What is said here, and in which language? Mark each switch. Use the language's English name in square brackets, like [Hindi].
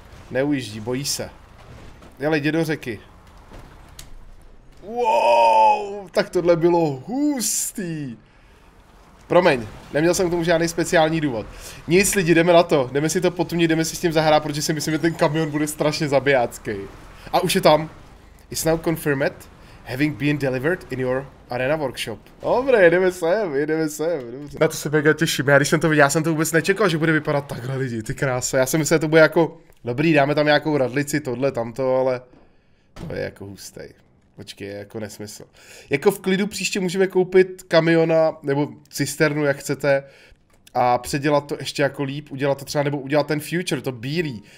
[Czech] Neujíždí, bojí se. Jele, jde do řeky. Wow, tak tohle bylo hustý. Promiň, neměl jsem k tomu žádný speciální důvod. Nic lidi, jdeme na to, jdeme si to potumnit, jdeme si s tím zahrát, protože si myslím, že ten kamion bude strašně zabijácký. A už je tam. [English] It's now confirmed, having been delivered in your arena workshop. [Czech] Dobré, jdeme sem, dobře. Na to se mega těším, já když jsem to viděl, já jsem to vůbec nečekal, že bude vypadat takhle lidi, ty krása. Já jsem myslel, že to bude jako, dobrý, dáme tam nějakou radlici, tohle, tamto, ale to je jako hustej. Počkej, je jako nesmysl. Jako v klidu příště můžeme koupit kamiona, nebo cisternu, jak chcete, a předělat to ještě jako líp, udělat to třeba, nebo udělat ten future, to bílý.